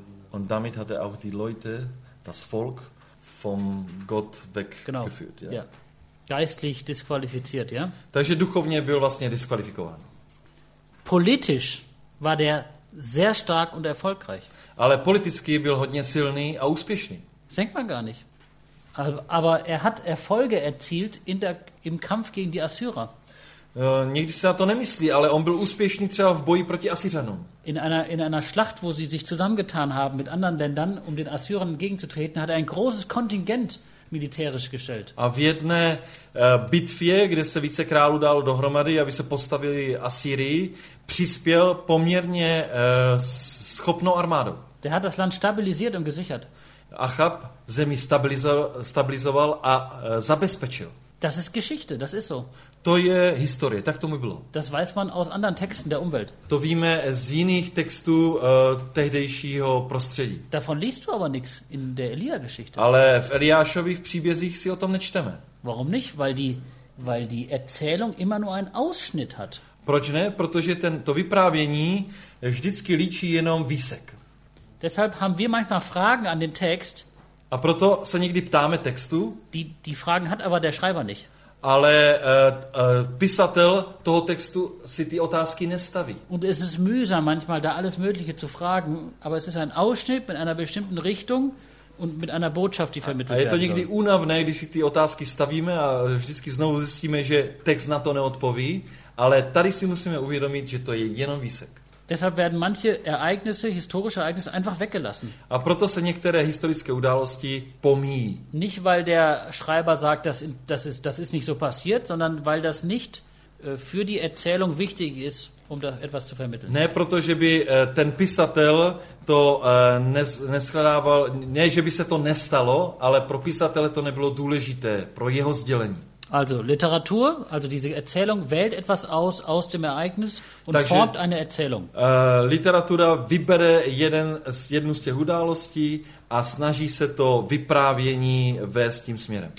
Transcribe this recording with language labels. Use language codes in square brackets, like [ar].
[de] Und damit hat er auch die Leute, das Volk, vom Gott weggeführt. Genau. Ja. Geistlich disqualifiziert, ja? [cs] Takže duchovně byl vlastně disqualifikován. [de] Politisch war der sehr stark und erfolgreich. [cs] Ale politicky byl hodně silný a úspěšný. [de] Denkt man gar nicht. Aber er hat Erfolge erzielt im Kampf gegen die Assyrer. [cs] Někdy se na to nemyslí, ale on byl úspěšný třeba v boji proti Asiřanům. [de] In einer Schlacht, wo sie sich zusammengetan haben mit anderen Ländern, um den Assyrern entgegenzutreten, hat er ein großes Kontingent militärisch gestellt. [cs] A v jedné bitvě, kde se více králů dalo dohromady, aby se postavili Asýrii, přispěl poměrně schopnou armádou. [de] Der hat das Land stabilisiert und gesichert. [cs] Achab zemi stabilizoval a zabezpečil. [de] Das ist Geschichte, das ist so. [cs] To je historie, tak tomu bylo. [de] Das weiß man aus anderen Texten der Umwelt. [cs] To víme z jiných textů tehdejšího prostředí. [de] Davon liest du aber nichts in der Elia-Geschichte. [cs] Ale v Eliášových příbězích si o tom nečteme. [de] Warum nicht? Weil die Erzählung immer nur einen Ausschnitt hat. [cs] Proč ne? Protože to vyprávění vždycky líčí jenom výsek. [de] Deshalb haben wir manchmal Fragen an den Text. [cs] A proto se někdy ptáme textu. [de] Die Fragen hat aber der Schreiber nicht. [cs] Ale pisatel toho textu si ty otázky nestaví. [de] Und es ist mühsam manchmal da alles mögliche zu fragen, aber es ist ein Ausschnitt mit einer bestimmten Richtung und mit einer Botschaft, die vermittelt wird. [cs] A je to někdy únavné, když si ty otázky stavíme a vždycky znovu zjistíme, že text na to neodpoví, ale tady si musíme uvědomit, že to je jenom výsek. [de] Deshalb werden manche Ereignisse, historische Ereignisse einfach weggelassen. [cs] A proto se některé historické události pomíjí. [de] Nicht weil der Schreiber sagt, das ist nicht so passiert, sondern weil das nicht für die Erzählung wichtig ist, um da etwas zu vermitteln. [cs] Ne, protože by ten pisatel to neschledával, ne, že by se to nestalo, ale pro pisatele to nebylo důležité pro jeho sdělení. [de] Also Literatur, also diese Erzählung wählt etwas aus dem Ereignis und [cs] takže, [de] formt eine Erzählung. [cs] Literatura vybere jednu z těch událostí a snaží se to vyprávění vést tím směrem.